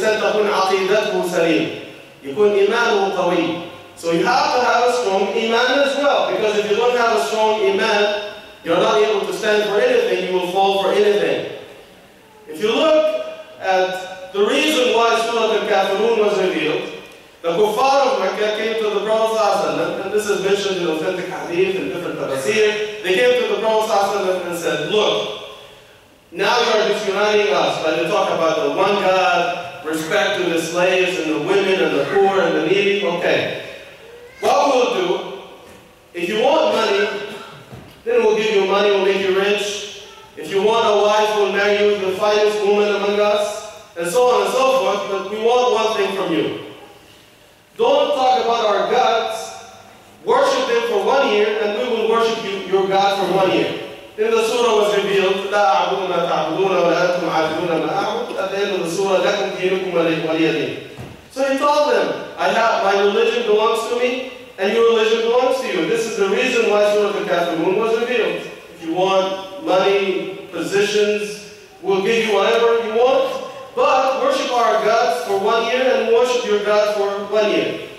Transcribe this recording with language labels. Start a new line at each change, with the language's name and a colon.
Arabic: الإنسان تكون عقيدته سليمة، يكون إيمانه قوي.
English: So you have to have a strong iman as well. Because if you don't have a strong iman, you're not able to stand for anything, you will fall for anything. If you look at the reason why Surah Al-Kafirun was revealed, the Kuffar of Mecca came to the Prophet ﷺ, and this is mentioned in authentic hadith and different tafsir. They came to the Prophet ﷺ and said, look, now you are disuniting us, but you talk about the one God, respect to the slaves and the women and the poor and the needy, okay. What we'll do, if you want money, then we'll give you money, we'll make you rich. If you want a wife, we'll marry you to the finest woman among us, and so on and so forth, but we want one thing from you. Don't talk about our gods, worship them for 1 year, and we will worship you, your God, for 1 year. Then the surah was revealed,
Arabic: لا أعبد ما تعبدون ولا أنتم عابدون ما أعبد.
English: At the end of the surah,
Arabic: لكم دينكم ولي دين.
English: So he told them, I have, my religion belongs to me, and your religion belongs to you. This is the reason why Surah Al-Kafirun was revealed. If you want money, positions, we'll give you whatever you want, but worship our gods for 1 year, and worship your gods for 1 year.